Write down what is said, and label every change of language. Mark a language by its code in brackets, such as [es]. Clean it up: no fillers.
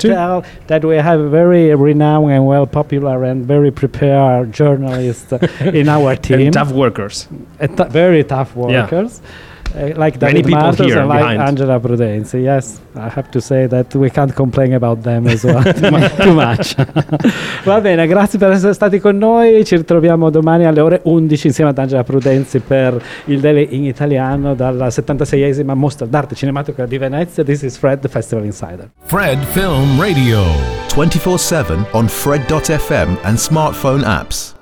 [en] to tell that we have a very renowned and well popular and very prepared journalist in our team. And tough workers. Very tough workers. Yeah. Like David Martos and like Angela Prudenzi. Yes, I have to say that we can't complain about them as well. Too much. [it] Va bene, grazie per essere stati con noi. Ci ritroviamo domani alle ore 11 insieme ad Angela Prudenzi per il Daily in Italiano dalla 76esima Mostra d'Arte Cinematografica di Venezia. [en] This is Fred, the Festival Insider. Fred Film Radio, 24/7 on Fred.fm and smartphone apps.